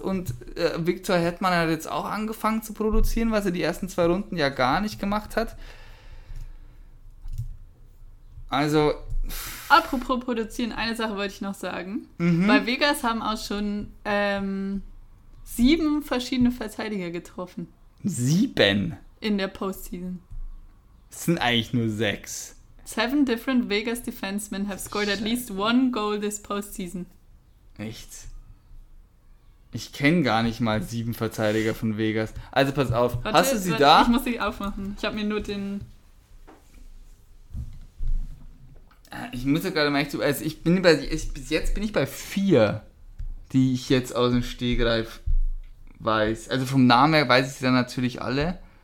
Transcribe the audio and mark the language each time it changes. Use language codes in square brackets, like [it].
[de] Und Victor Hedman hat jetzt auch angefangen zu produzieren, was er die ersten zwei Runden ja gar nicht gemacht hat. Also. Apropos produzieren, eine Sache wollte ich noch sagen. Mhm. Bei Vegas haben auch schon 7 verschiedene Verteidiger getroffen. 7? In der Postseason. Es sind eigentlich nur 6. [en] 7 different Vegas defensemen have scored at least 1 goal this postseason. [de] Echt? Ich kenne gar nicht mal 7 Verteidiger von Vegas. Also pass auf, hast du sie da? Ich muss sie aufmachen. Ich habe mir nur den... Ich muss ja gerade mal echt... Also bis jetzt bin ich bei 4, die ich jetzt aus dem Stegreif weiß. Also vom Namen her weiß ich sie dann natürlich alle.